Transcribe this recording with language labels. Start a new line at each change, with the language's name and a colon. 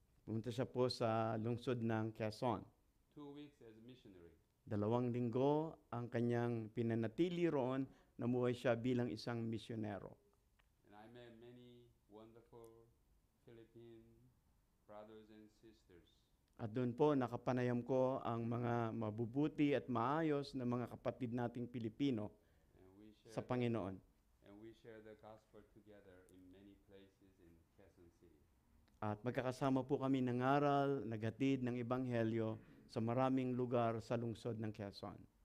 Filipino: Pumunta siya po sa lungsod ng Quezon.
English: 2 weeks as missionary.
Filipino: 2 linggo ang kanyang pinanatili roon, namuhay siya bilang isang misyonero.
English: And I met many wonderful Philippine brothers and sisters.
Filipino: At doon po, nakapanayam ko ang mga mabubuti at maayos na mga kapatid nating Pilipino sa Panginoon.
English: And we share the gospel together in many places in Quezon City.
Filipino: At magkakasama po kami nangaral, naghatid ng Ebanghelyo sa maraming lugar sa lungsod ng Quezon.